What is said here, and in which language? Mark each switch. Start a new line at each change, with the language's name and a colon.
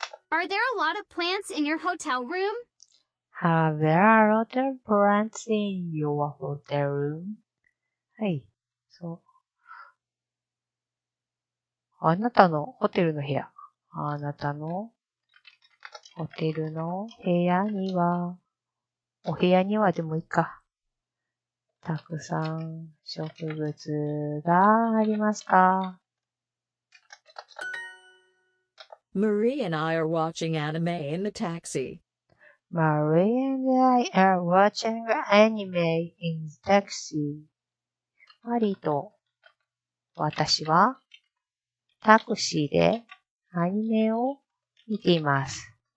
English: Are there a lot of plants in your hotel room? Are there a lot of plants in your hotel room?
Japanese: はい、そう。あなたのホテルの部屋。あなたのホテルの部屋には、お部屋にはでもいいか。たくさん植物がありますか？
English: Marie and I are watching anime in the taxi. Marie and I are watching anime in the taxi.
Japanese: マリーと私はタクシーでアニメを見ています。